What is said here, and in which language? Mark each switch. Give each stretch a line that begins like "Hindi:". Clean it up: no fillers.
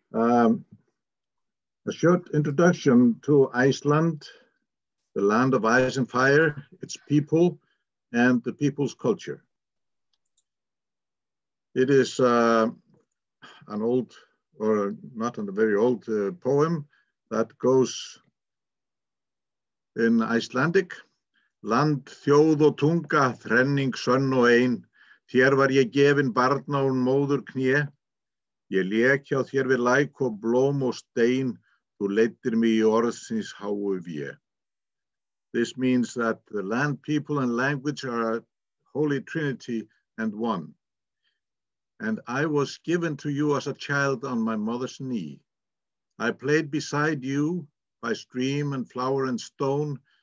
English: A short introduction to Iceland, the land of ice and fire, its people, and the people's culture. It is an old, or not a very old poem that goes in Icelandic.
Icelandic: Land þjóð og tunga, þrenning sönn og ein, þér var ég gefin barna og móður knýe, ég lék hjá þér við læk og blóm og stein, þú leiddir mig í orðsins háu vé.
English: This means that the land, people, and language are a holy trinity and one. And I was given to you as a child on my mother's knee. I played beside you by stream and flower and stone.